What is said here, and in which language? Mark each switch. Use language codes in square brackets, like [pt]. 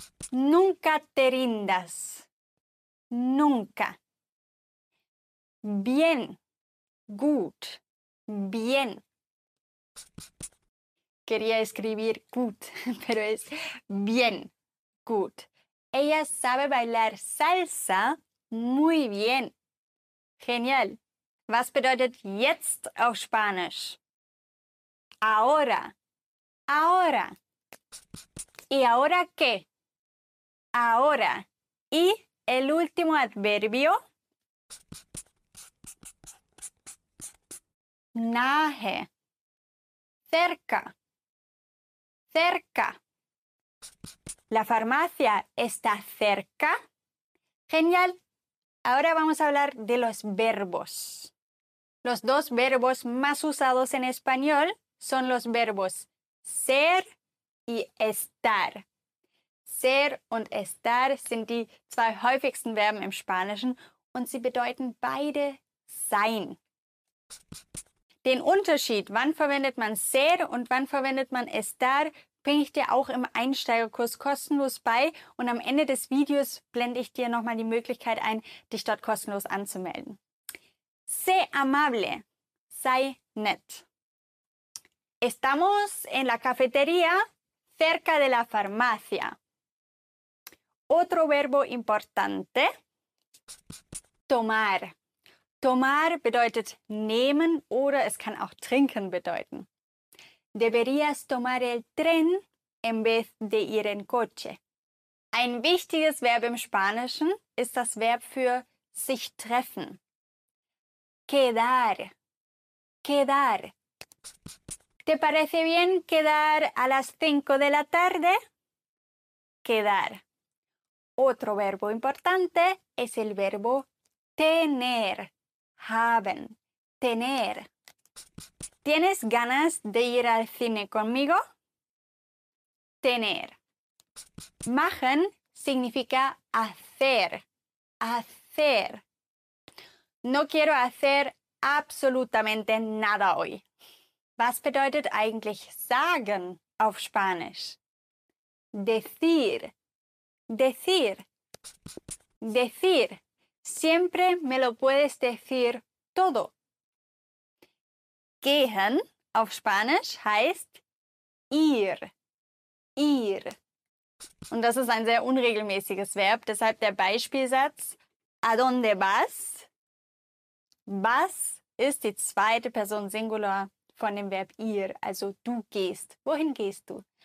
[es] Nunca te rindas. Nunca. Bien. [de] Gut. [es] Bien. Quería escribir gut, pero es bien. [de] Gut. [es] Ella sabe bailar salsa muy bien. Genial. [de] Was bedeutet jetzt auf Spanisch? [es] Ahora. Ahora. ¿Y ahora qué? Ahora. ¿Y el último adverbio? [de] Nahe. [es] Cerca. Cerca. ¿La farmacia está cerca? Genial. Ahora vamos a hablar de los verbos. Los dos verbos más usados en español son los verbos ser y estar. [de] Ser und estar sind die zwei häufigsten Verben im Spanischen und sie bedeuten beide sein. Den Unterschied, wann verwendet man ser und wann verwendet man estar, bringe ich dir auch im Einsteigerkurs kostenlos bei und am Ende des Videos blende ich dir nochmal die Möglichkeit ein, dich dort kostenlos anzumelden. [es] Sé amable, [de] sei nett. [es] Estamos en la cafetería cerca de la farmacia. Otro verbo importante, tomar. [de] Tomar bedeutet nehmen oder es kann auch trinken bedeuten. [es] Deberías tomar el tren en vez de ir en coche. [de] Ein wichtiges Verb im Spanischen ist das Verb für sich treffen. [es] Quedar. Quedar. ¿Te parece bien quedar a las 5 de la tarde? Quedar. Otro verbo importante es el verbo tener. [de] Haben. [es] Tener. ¿Tienes ganas de ir al cine conmigo? Tener. Machen significa hacer. Hacer. No quiero hacer absolutamente nada hoy. [de] Was bedeutet eigentlich sagen auf Spanisch? [es] Decir. Decir. Decir. Siempre me lo puedes decir todo. [de] Gehen auf Spanisch heißt ir. Ir. Und das ist ein sehr unregelmäßiges Verb, deshalb der Beispielsatz [es] ¿A dónde vas? [de] Vas ist die zweite Person Singular von dem Verb ir, also du gehst. Wohin gehst du?